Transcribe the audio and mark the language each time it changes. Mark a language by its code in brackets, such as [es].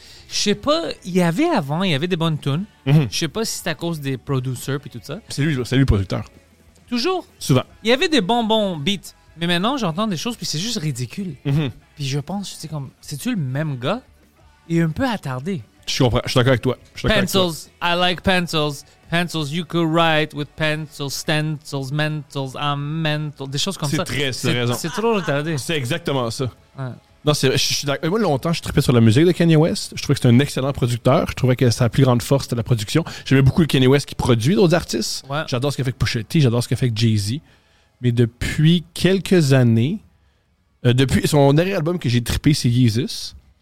[fr] Je sais pas, il y avait des bonnes tunes. Mm-hmm. Je sais pas si c'est à cause des producers et tout ça. C'est lui le producteur. Toujours? Souvent. Il y avait des bonbons beats. Mais maintenant, j'entends des choses puis c'est juste ridicule. Mm-hmm. Puis je pense, c'est comme, c'est-tu le même gars? Il est un peu attardé. Je comprends, je suis d'accord avec toi. [en] Pencils, I like pencils. Pencils, you could write with pencils, stencils, mentals, I'm mental. [fr] Des choses comme c'est ça. Très, c'est raison. C'est trop retardé. C'est exactement ça. Ouais. Non, moi, longtemps, je trippais sur la musique de Kanye West. Je trouvais que c'était un excellent producteur. Je trouvais que sa plus grande force, c'était la production. J'aimais beaucoup le Kanye West qui produit d'autres artistes. Ouais. J'adore ce qu'a fait Pusha T, j'adore ce qu'a fait Jay-Z. Mais depuis quelques années, depuis son dernier album que j'ai trippé, c'est Yeezus.